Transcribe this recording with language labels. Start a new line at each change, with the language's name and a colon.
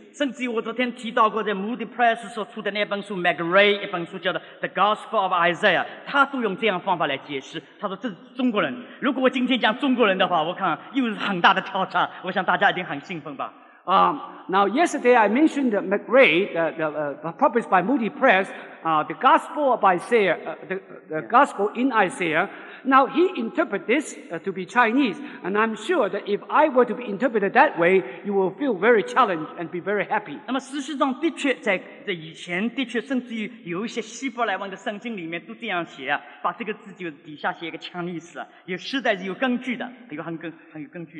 Chinese: 甚至我昨天提到过的 Moody Press 所出的那本书 McRae 一本书叫做 The Gospel of Isaiah， 他都用这样方法来解释，他说这是中国人。如果我今天讲中国人的话，我看又是很大的挑战，我想大家一定很兴奋吧。
English: Now yesterday I mentioned McRae, the published by Moody Press, The Gospel of Isaiah, the Gospel in Isaiah. Now he interpreted this to be Chinese, and I'm sure that if I were to be interpreted that way, you will feel very challenged and be very happy.
Chinese: 那么事实上的确在这以前的确甚至于有一些希伯来文的圣经里面都这样写，把这个字就底下写一个 Chinese， 有实在是有根据的，有很有根据。